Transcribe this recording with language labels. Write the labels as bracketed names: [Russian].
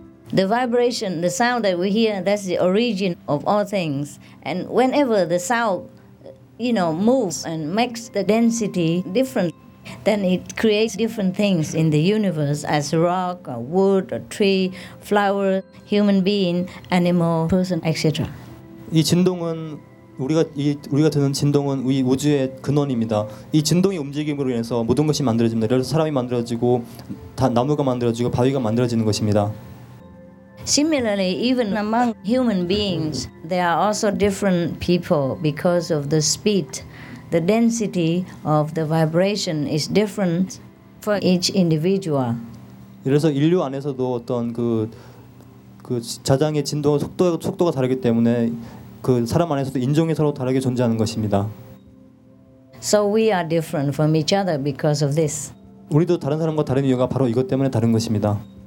[English] The vibration, the sound that we hear, that's the origin of all things. And whenever the sound, you know, moves and makes the density different, then it creates different things in the universe as rock, or wood, or tree, flower, human being, animal, person, etc. [Korean] 이 진동은 우리가 듣는 진동은 우리 우주의 근원입니다. 이 진동이 움직임으로 인해서 모든 것이 만들어집니다. 예를 들어 사람이 만들어지고 나무가 만들어지고 바위가 만들어지는 것입니다. [English] Similarly, even among human beings, there are also different people because of the speed. The density of the vibration is different for each individual. [Korean] 그래서 인류 안에서도 어떤 그 자장의 진동 속도가 다르기 때문에 그 사람 안에서도 인종이 서로 다르게 존재하는 것입니다. [English] So we are different from each other because of this. [Korean] 우리도 다른 사람과 다른 이유가 바로 이것 때문에 다른 것입니다.